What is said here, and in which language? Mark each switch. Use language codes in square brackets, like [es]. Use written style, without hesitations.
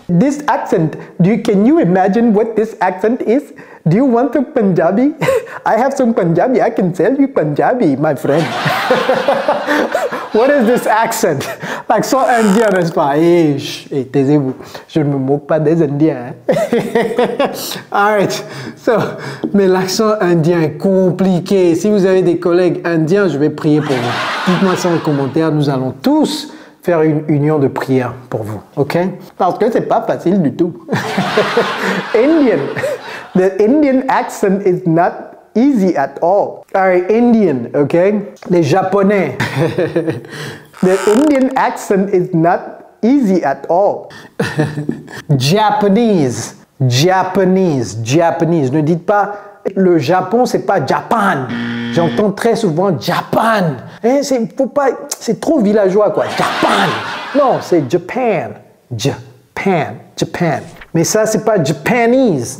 [en] This accent, can you imagine what this accent is? Do you want a Punjabi? I have some Punjabi. I can sell you Punjabi, my friend. What is this accent? [fr] L'accent indien, n'est-ce pas? Et taisez-vous, je ne me moque pas des Indiens. Hein? [en] All right. [fr] So, mais l'accent indien est compliqué. Si vous avez des collègues indiens, je vais prier pour vous. Dites-moi ça en commentaire. Nous allons tous faire une union de prière pour vous. OK? Parce que ce n'est pas facile du tout. [en] Indian. The Indian accent is not easy at all. All right, Indian, okay? [fr] Les Japonais. [en] The Indian accent is not easy at all. Japanese. Japanese. Japanese. [fr] Ne dites pas le Japon, c'est pas Japan. J'entends très souvent Japan. Hein, c'est, faut pas, c'est trop villageois, quoi. Japan. Non, c'est Japan. Japan. Japan. Mais ça, c'est pas Japanese.